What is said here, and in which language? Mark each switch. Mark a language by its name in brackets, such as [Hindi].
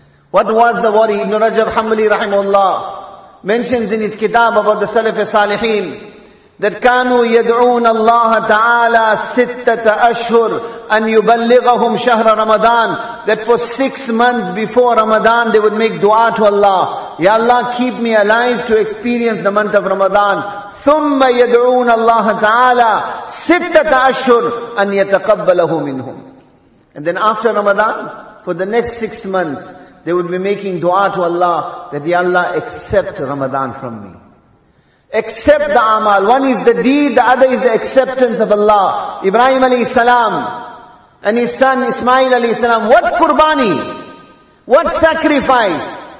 [English] What was the worry? Ibn Rajab Hanbali rahimahullah mentions in his kitab about the Salaf al-Salihin that [Arabic] كانوا يدعون الله تعالى ستة أشهر أن يبلغهم شهر رمضان, [English] that for 6 months before Ramadan they would make dua to Allah. Ya Allah, keep me alive to experience the month of Ramadan. [Arabic] ثم يدعون الله تعالى ستة أشهر أن يتقبله منهم. [English] And then after Ramadan, for the next 6 months, they would be making dua to Allah that Ya Allah, accept Ramadan from me. Accept the amal. One is the deed, the other is the acceptance of Allah. Ibrahim alayhi salam and his son Ismail alayhi salam, what qurbani, what sacrifice.